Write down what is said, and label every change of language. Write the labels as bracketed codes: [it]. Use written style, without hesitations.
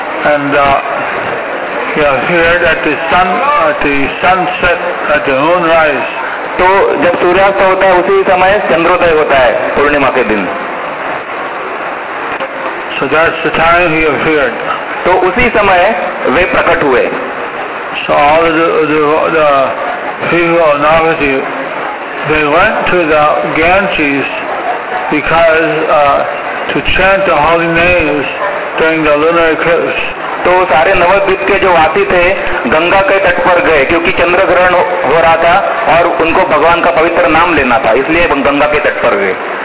[en] And here at the sunset, at the moonrise. [hi] तो जब सूर्यास्त होता है उसी समय चंद्रोदय होता है पूर्णिमा के दिन। [en] So that's the time he appeared. [hi] तो उसी समय वे प्रकट हुए। [en] So all the people of Navadvip, they went to the Ganges because to chant the holy names during the lunar eclipse. [hi] तो सारे नवद्वीप के जो वासी थे गंगा के तट पर गए क्योंकि चंद्र ग्रहण हो रहा था और उनको भगवान का पवित्र नाम लेना था इसलिए गंगा के तट पर गए।